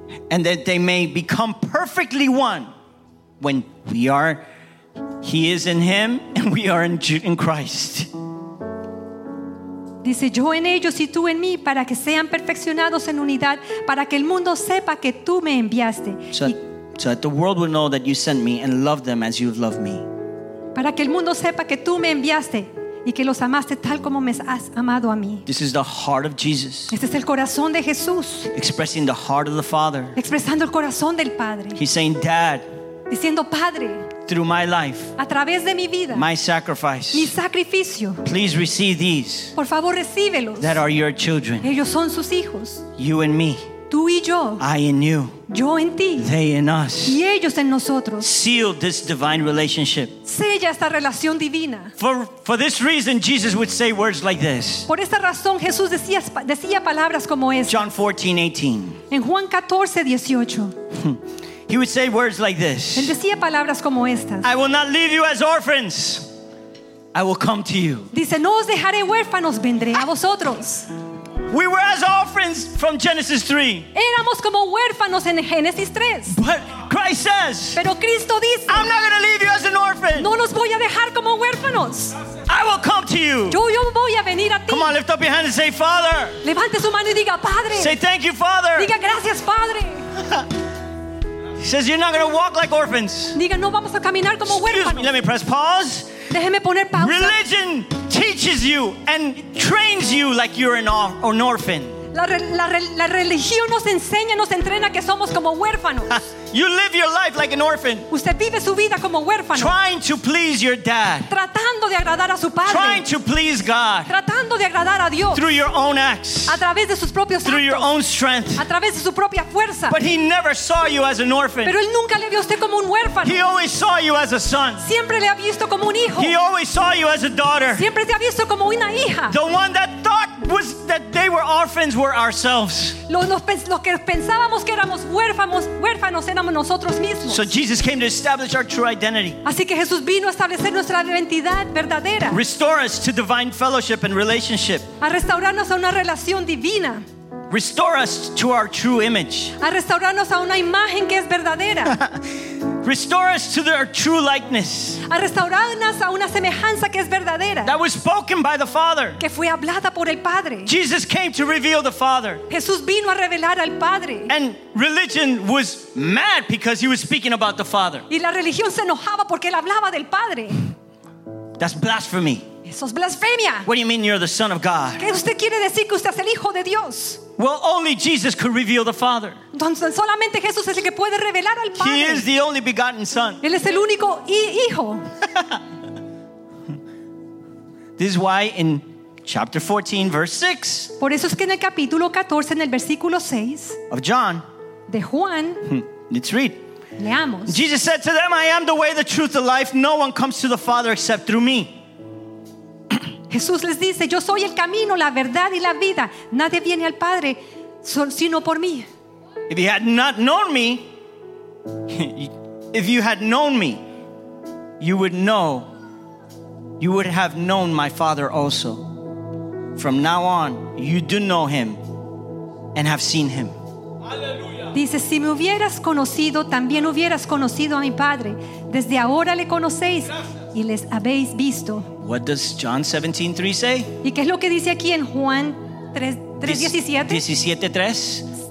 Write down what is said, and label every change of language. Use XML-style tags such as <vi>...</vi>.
<en>And that they may become perfectly one when we are He is in him and we are in Christ.</en> <es>Dice yo en ellos y tú en mí para que sean perfeccionados en unidad para que el mundo sepa que tú me enviaste.</es> <en>So that the world will know that you sent me and love them as you've loved me.</en> <es>Para que el mundo sepa que tú me enviaste y que los amaste tal como me has amado a mí.</es> <en>This is the heart of Jesus.</en> <es>Este es el corazón de Jesús.</es> <en>Expressing the heart of the Father.</en> <es>Expresando el corazón del Padre.</es> <en>He's saying, Dad.</en> <es>Diciendo, Padre.</es> <en>through my life,</en> <es>a través de mi vida,</es> <en>my sacrifice,</en> <es>mi sacrificio,</es> <en>please receive these,</en> <es>por favor, recíbelos,</es> <en>that are your children,</en> <es>ellos son sus hijos,</es> <en>you and me,</en> <es>tú y yo,</es> <en>I in you,</en> <es>yo en ti,</es> <en>they in us,</en> <es>y ellos en nosotros.</es> <en>Seal this divine relationship.</en> <es>Sella esta relación divina.</es> <en>For this reason, Jesus would say words like this.</en> <es>Por esta razón, Jesús decía palabras como estas.</es> <en>John 14:18.</en> <es>En Juan 14:18.</es> <en>He would say words like this.</en> <es>Él decía palabras como estas.</es> <en>I will not leave you as orphans. I will come to you.</en> <es>Dice, no os dejaré huérfanos, vendré a vosotros.</es> <en>We were as orphans from Genesis 3.</en> <es>Éramos como huérfanos en Génesis 3.</es> <en>But Christ says,</en> <es>pero Cristo dice,</es> <en>I'm not going to leave you as an orphan.</en> <es>No los voy a dejar como huérfanos.</es> <en>I will come to you.</en> <es>Yo voy a venir a ti.</es> <en>Come on, lift up your hand and say, Father.</en> <es>Levante su mano y diga, Padre.</es> <en>Say, thank you, Father.</en> <es>Diga, gracias, Padre.</es> <en>He says, you're not going to walk like orphans.</en> <es>Diga, no vamos a caminar como huérfanos.</es> <en>Excuse me, let me press pause.</en> <es>Déjeme poner pausa.</es> <en>Religion teaches you and trains you like you're an orphan.</en> <es>La religión nos enseña, nos entrena que somos como huérfanos.</es> <en>You live your life like an orphan.</en> <es>Usted vive su vida como huérfano.</es> <en>Trying to please your dad.</en> <es>Tratando de agradar a su padre.</es> <en>Trying to please God.</en> <es>Tratando de agradar a Dios.</es> <en>Through your own acts.</en> <es>A través de sus propios</es> <en>through</en> <es>actos.</es> <en>Your own strength.</en> <es>A través de su propia fuerza.</es> <en>But he never saw you as an orphan.</en> <es>Pero él nunca le vio a usted como un huérfano.</es> <en>He always saw you as a son.</en> <es>Siempre le ha visto como un hijo.</es> <en>He always saw you as a daughter.</en> <es>Siempre te ha visto como una hija.</es> <en>The one that thought was that they were orphans were ourselves.</en> <es>Los que pensábamos que éramos huérfanos éramos nosotros mismos.</es> <en>So Jesus came to establish our true identity.</en> <es>Así que Jesús vino a establecer nuestra identidad verdadera.</es> <en>Restore us to divine fellowship and relationship.</en> <es>A restaurarnos a una relación divina.</es> <en>Restore us to our true image.</en> <es>A restaurarnos a una imagen que es verdadera.</es> <en>Restore us to their true likeness.</en> <es>A restaurarnos a una semejanza que es verdadera.</es> <en>That was spoken by the Father.</en> <es>Que fue hablada por el Padre.</es> <en>Jesus came to reveal the Father.</en> <es>Jesús vino a revelar al Padre.</es> <en>And religion was mad because he was speaking about the Father.</en> <es>Y la religión se enojaba porque él hablaba del Padre.</es> <en>That's blasphemy.</en> <es>Eso es blasfemia.</es> <en>What do you mean you're the Son of God?</en> <es>¿Qué usted quiere decir que usted es el Hijo de Dios?</es> <en>Well, only Jesus could reveal the Father.</en> <es>Entonces, solamente Jesús es el que puede revelar al Padre.</es> <en>He is the only begotten Son.</en> <es>Él es el único hijo.</es> <en>This is why in chapter 14, verse 6.</en> <es>Por eso es que en el capítulo 14, en el versículo 6.</es> <en>Of John.</en> <es>De Juan.</es> <en>Let's read.</en> <es>Leamos.</es> <en>Jesus said to them, I am the way, the truth, the life. No one comes to the Father except through me.</en> <es>Jesús les dice, yo soy el camino, la verdad y la vida. Nadie viene al Padre sino por mí.</es> <en>If you had not known me, if you had known me, you would know, you would have known my Father also. From now on, you do know him and have seen him.</en> <es>Aleluya. Dice, si me hubieras conocido, también hubieras conocido a mi Padre. Desde ahora le conocéis. Gracias. Y les habéis visto.</es> <en>What does John 17:3 say?</en> <es>¿Y qué es lo que dice aquí en Juan 17:3?</es>